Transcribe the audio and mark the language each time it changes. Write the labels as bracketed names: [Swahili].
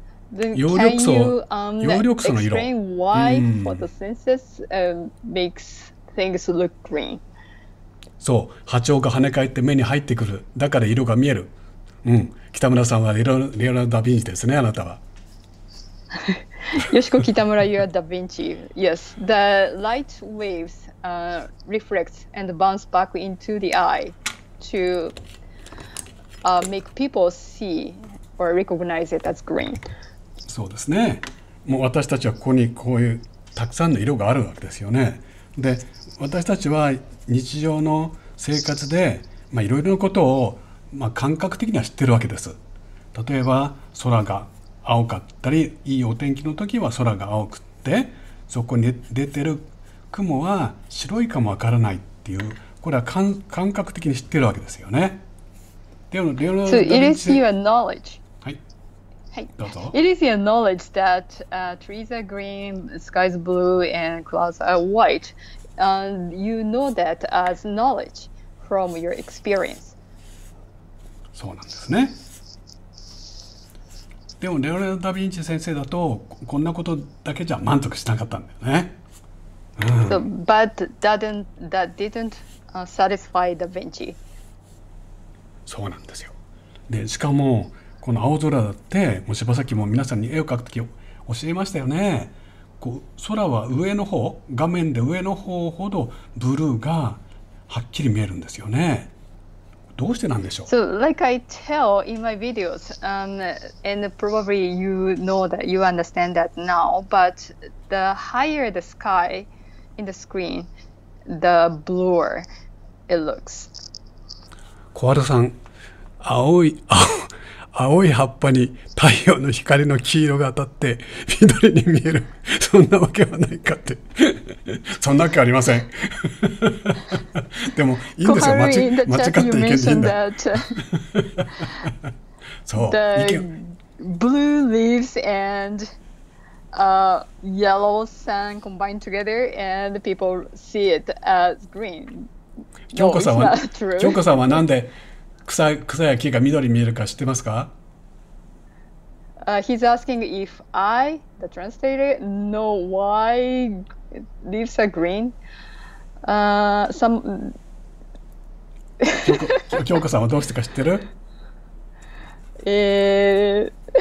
[Japanese] 葉緑素の色。 [English] Explain why photosynthesis makes things look green. [Japanese] そう、波長が跳ね返って目に入ってくる。だから色が見える。うん、北村さんはレオナルド・ダ・ヴィンチですね、あなたは。 [English] Yoshiko Kitamura, you are Da Vinci. Yes, the light waves reflect and bounce back into the eye to make people see or recognize it as green. [Japanese] そうですね。もう私たちはここにこういうたくさんの色があるわけですよね。で、私たちは日常の生活でいろいろなことを、まあ、感覚的には知ってるわけです。例えば空が青かったり、いいお天気の時は空が青くって、そこに出てる雲は白いかもわからないっていう、これは感覚的に知ってるわけですよね。でも、レオナルド・ダ・ヴィンチ。 [English] So it is your knowledge. [Japanese] はい。はい。どうぞ。 [English] It is your knowledge that trees are green, skies blue, and clouds are white. And you know that as knowledge from your experience. [Japanese] そうなんですね。でもレオナルド・ダ・ヴィンチ先生だとこんなことだけじゃ満足しなかったんだよね。 [English] So, but that didn't satisfy Da Vinci. [Japanese] そうなんですよ。で、しかもこの青空だって、もう柴崎も皆さんに絵を描くとき教えましたよね。こう空は上の方、画面で上の方ほどブルーがはっきり見えるんですよね。どうしてなんでしょう。 [English] So like I tell in my videos, and probably you know that you understand that now, but the higher the sky in the screen, the bluer it looks. [Japanese] 小春さん、青い葉っぱに太陽の光の黄色が当たって緑に見える、そんなわけはないかってそんなわけありませんでもいいんですよ、間違っていけないんだそう、 [English] the blue leaves and yellow sun combined together and people see it as green. No, it's not true. [Japanese] 京子さんはなんで草や木が緑に見えるか知ってますか？ [English] He's asking if I, the translator, know why leaves are green. Some. [Japanese] 京子さんはどうしてか知ってる？